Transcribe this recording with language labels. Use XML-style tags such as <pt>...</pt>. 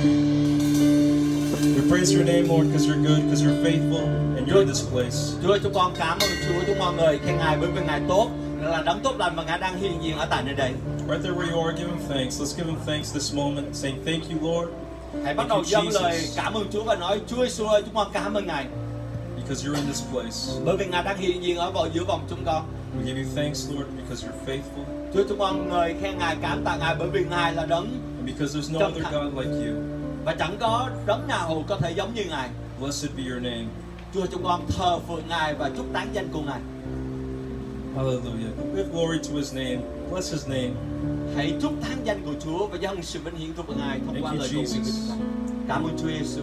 <en>We praise your name, Lord, because you're good, because you're faithful, and you're in this place.</en> <vi>Chúa, chúng con cảm ơn Chúa, chúng mọi người khen Ngài bởi vì Ngài tốt, là đấng tốt lành mà Ngài đang hiện diện ở tại nơi đây.</vi> <en>Right there where you are, give him thanks. Let's give him thanks this moment, saying thank you, Lord.</en> <vi>Hãy bắt đầu dâng lời cảm ơn Chúa và nói Chúa Jesus ơi, chúng con cảm ơn Ngài.</vi> <en>Because you're in this place.</en> <vi>Bởi vì Ngài đang hiện diện ở vào giữa vòng chúng con.</vi> <en>We give you thanks, Lord, because you're faithful.</en> <vi>Chúa, chúng con ngợi khen Ngài, cảm tạ Ngài bởi vì Ngài là đấng.</vi> <en>And because there's no other God like you.</en> <vi>Và chẳng có đấng nào có thể giống như Ngài.</vi> <en>Blessed be your name.</en> <vi>Chúa, chúng con thờ phượng Ngài và chúc tán danh của Ngài.</vi> <en>Hallelujah. Give glory to His name. Bless His name.</en> <vi>Hãy chúc tán danh của Chúa và dâng sự vinh hiển thuộc về Ngài thông qua lời cầu nguyện của chúng con. Cảm ơn Chúa Giêsu.</vi>